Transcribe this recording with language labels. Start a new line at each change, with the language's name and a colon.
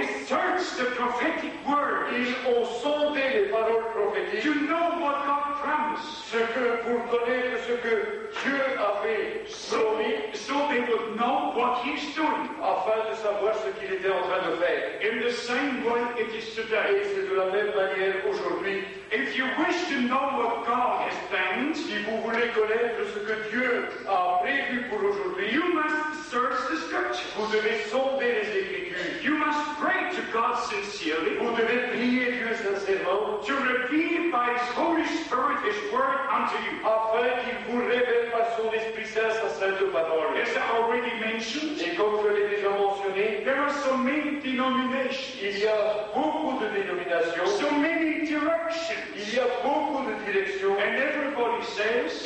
English: They searched the prophetic word.
French: Ils ont sondé les paroles prophétiques.
English: You know what God promise,
French: ce que pour connaître ce que Dieu avait promis,
English: so they would know what he's doing,
French: afin de savoir ce qu'il était en train de faire.
English: In the same way it is today,
French: et c'est de la même manière aujourd'hui.
English: If you wish to know what God has planned,
French: si vous voulez connaître ce que Dieu a prévu pour aujourd'hui,
English: you must search the scriptures.
French: Vous devez sonder les Écritures.
English: You must pray to God sincerely.
French: Vous devez prier Dieu sincèrement.
English: To reveal by His Holy Spirit His Word unto you.
French: Afin qu'il vous révèle par son Esprit Saint sa sainte parole.
English: As I already mentioned,
French: et comme je l'ai déjà mentionné,
English: there are so many denominations.
French: Il y a beaucoup de dénominations.
English: So many directions.
French: Il y a beaucoup de directions.
English: And everybody says,